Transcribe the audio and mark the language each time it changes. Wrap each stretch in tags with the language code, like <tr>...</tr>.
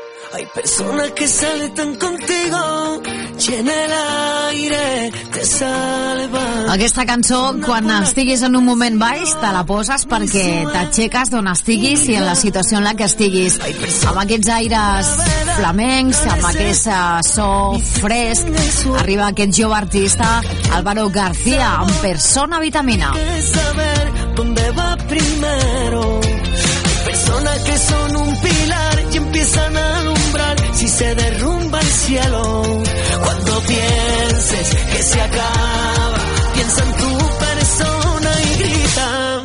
<es>Hay personas que salen contigo y en el aire te salvan.</es> <ca>Aquesta cançó, quan estiguis en un moment baix, te la poses perquè t'aixeques d'on estiguis i en la situació en la que estiguis. Amb aquests aires flamencs, amb aquest so fresc, arriba aquest jove artista, Álvaro García, amb Persona Vitamina.</ca> <es>¿Dónde va primero? Hay personas que son un pilar y empiezan a alumbrar si se derrumba el cielo. Cuando pienses que se acaba, piensa en tu persona y grita.</es>